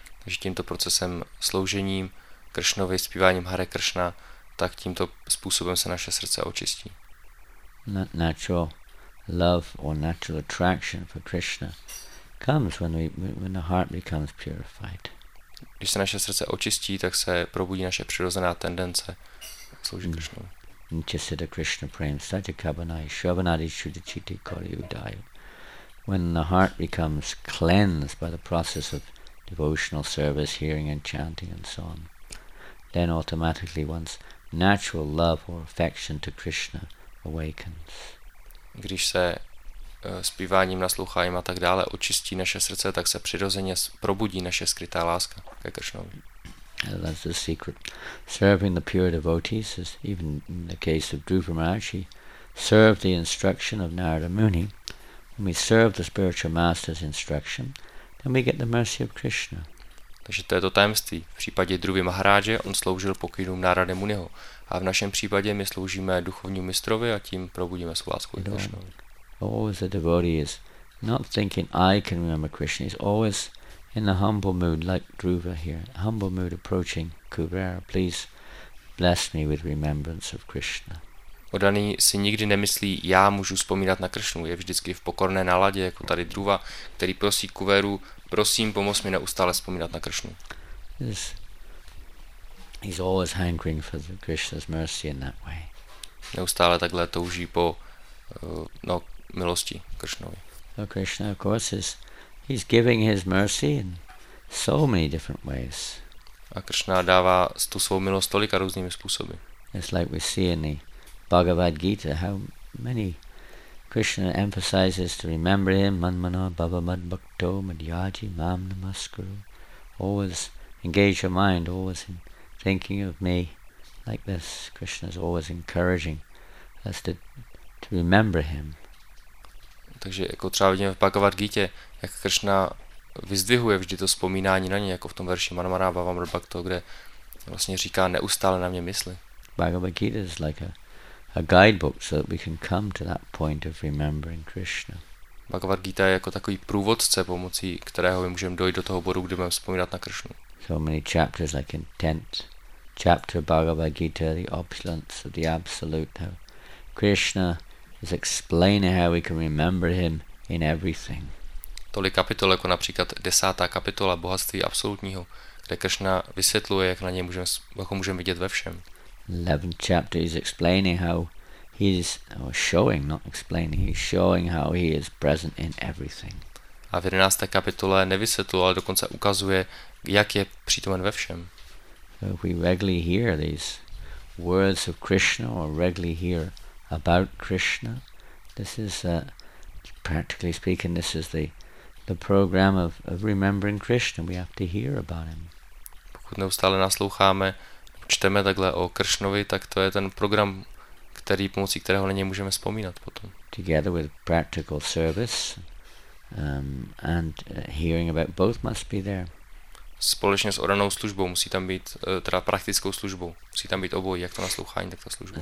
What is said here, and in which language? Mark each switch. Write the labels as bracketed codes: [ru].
[cs] Takže tímto procesem sloužením Krishnovi, zpíváním Hare Krishna, tak tímto způsobem se naše srdce očistí. [en] Natural love or natural attraction for Krishna comes when the heart becomes purified. [cs] Když se naše srdce očistí, tak se probudí naše přirozená tendence sloužit Krishnu. [sa] Nityasiddha Krishna Prem Sajja Kabanai Shravanadi Shuddha Chitti Kali Udaya. [en] When the heart becomes cleansed by the process of devotional service, hearing and chanting and so on, then automatically one's natural love or affection to Krishna awakens. [cs] Když se zpíváním, nasloucháním a tak dále očistí naše srdce, tak se přirozeně probudí naše skrytá láska ke Krishnovi. [en] That's the secret. Serving the pure devotees, as even in the case of Dhruva Maharaj, he served the instruction of Narada Muni. When we serve the spiritual master's instruction, then we get the mercy of Krishna. [cs] Takže to je to tajemství. V případě Dhruvy Maharaje on sloužil pokynům Narada Muniho. A v našem případě my sloužíme duchovnímu mistrovi a tím probudíme svou lásku k Krishnovi. [en] Always the devotee is not thinking I can remember Krishna. He's always in a humble mood, like Dhruva here. Humble mood approaching Kuvera. Please bless me with remembrance of Krishna. [cs] Oddaný si nikdy nemyslí, já můžu vzpomínat na Krishnu. Je vždycky v pokorné náladě, jako tady Dhruva, který prosí Kuveru, prosím, pomoz mi neustále vzpomínat na Krishnu. [en] He's always hankering for the Krishna's mercy in that way. [cs] Neustále takhle touží po milosti Krishnovi. [en] So Krishna, of course, he's giving his mercy in so many different ways. [cs] A Krishna dává tu svou milost tolika různými způsoby. [en] It's like we see in the Bhagavad Gita how many Krishna emphasizes to remember him, [sa] manmana bhava mad bhakto madhyaji mam namaskaru. [en] Always engage your mind, always in thinking of me like this. Krishna is always encouraging us to remember him. [cs] Takže jako třeba vidíme v Bhagavad Gita, jak Krishna vyzdvihuje vždy to vzpomínání na něj, jako v tom verši [sa] manmana bhava mad bhakto, [cs] kde vlastně říká neustále na mě mysli. [en] Bhagavad Gita is like a guidebook so that we can come to that point of remembering Krishna. [cs] Bhagavad Gita je jako takový průvodce, pomocí kterého my můžeme dojít do toho bodu, kde budeme vzpomínat na Krishnu. [en] So many chapters, like in 10th chapter Bhagavad Gita, the opulence of the absolute, how Krishna is explaining how we can remember him in everything. [cs] Tolik kapitol, jako například 10. kapitola bohatství absolutního, kde Krishna vysvětluje, jak na něj můžeme, jako můžeme vidět ve všem. [en] 11th chapter is explaining how he is, or showing, not explaining, he's showing how he is present in everything. [cs] A v 11. kapitole nevysvětluje, ale dokonce ukazuje, jak je přítomen ve všem. [en] So if we regularly hear these words of Krishna, or regularly hear about Krishna, this is, practically speaking, this is the program of remembering Krishna. We have to hear about him. [cs] Pokud neustále nasloucháme, čteme takhle o Kršnovi, tak to je ten program, který pomocí kterého na něj můžeme vzpomínat potom. [en] Together with practical service and hearing about both must be there. [cs] Společně s oranou službou musí tam být, teda praktickou službou, musí tam být obojí, jak to naslouchání, tak ta služba.